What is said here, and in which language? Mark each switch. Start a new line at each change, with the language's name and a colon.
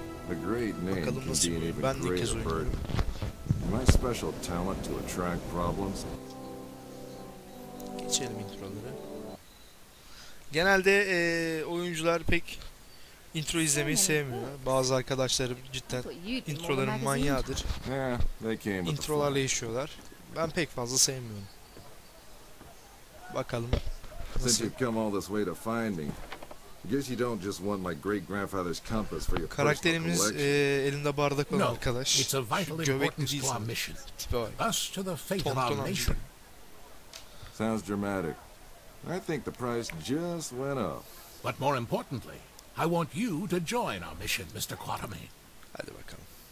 English: A great name can be an even greater burden. My special talent to attract problems.
Turkish: Geçelim introları. Genelde oyuncular pek intro izlemeyi sevmiyor. Bazı arkadaşlarım cidden introların manyağıdır. İntrolarla yaşıyorlar. Ben pek fazla sevmiyorum. Bakalım.
English: Since you've come all this way to find me, guess you don't just want my great grandfather's compass for your personal collection.
Turkish: Karakterimiz elinde bardak olan arkadaş.
English: No, it's a vital importance to our mission. Us to the fate of our nation. Sounds dramatic. I think the price just went up. But more importantly, I want you to join our mission, Mr. Quatermain.
Turkish: Hadi bakalım.